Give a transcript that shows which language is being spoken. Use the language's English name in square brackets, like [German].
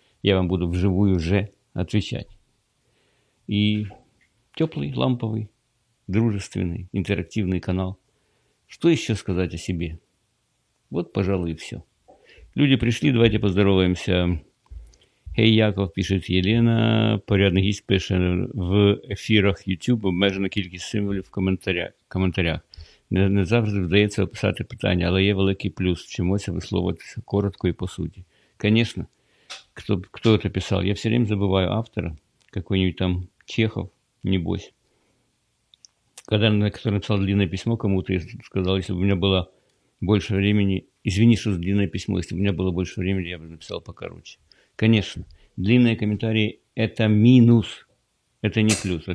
[Russian] Я вам буду вживую же отвечать. И теплый, ламповый, дружественный, интерактивный канал. Что еще сказать о себе? Вот, пожалуй, и все. Люди пришли, давайте поздороваемся. Хей, Яков, пишет Елена. [Ukrainian] Порядок есть, [Russian] пишет в эфирах [Ukrainian] YouTube, обмежена кількість символів в коментарях. Не завжди вдається описати питання, але є великий плюс. Чомусь висловитися коротко і по суті. Звісно, хто це писав? [Russian] Я все время [Ukrainian] забуваю автора. [Russian] Какой-нибудь там Чехов, небось. Который написал длинное письмо кому-то и сказал, если бы у меня было больше времени, извини, что длинное письмо, если бы у меня было больше времени, я бы написал покороче. Конечно, длинные комментарии – это минус, это не плюс.